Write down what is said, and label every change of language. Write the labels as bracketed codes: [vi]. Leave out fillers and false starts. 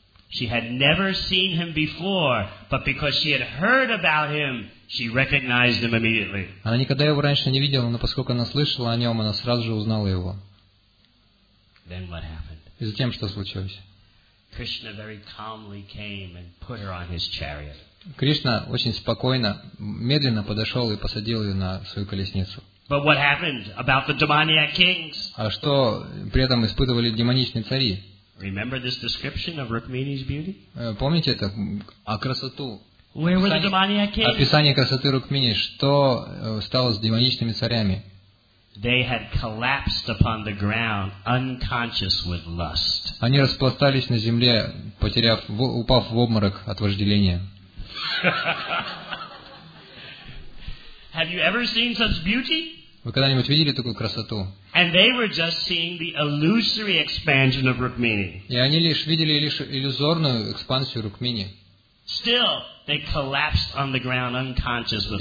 [en] She had never seen him before, but because she had heard about him, she recognized him immediately. [ru] Она никогда его раньше не видела, но поскольку она слышала о нем, она сразу же узнала его. [en] Then what happened? [ru] И затем что случилось? [en] Krishna very calmly came and put her on his chariot. [ru] Кришна очень спокойно, медленно подошел и посадил ее на свою колесницу. [en] But what happened about the demoniac kings? [ru] А что при этом испытывали демоничные цари? [en] Remember this description of Rukmini's beauty? [ru] Помните это? А красоту? [en] Where were the demoniac kings? [ru] Описание красоты Рукмини. Что стало с демоничными царями? [en] They had collapsed upon the ground, unconscious with lust. [ru] Они распластались на земле, упав в обморок от вожделения. [en] Have you ever seen such beauty? [ru] Вы когда-нибудь видели такую красоту? [en] And they were just seeing the illusory expansion of Rukmini. [ru] И они лишь видели лишь иллюзорную экспансию Рукмини. [en] Still, they collapsed on the ground unconscious with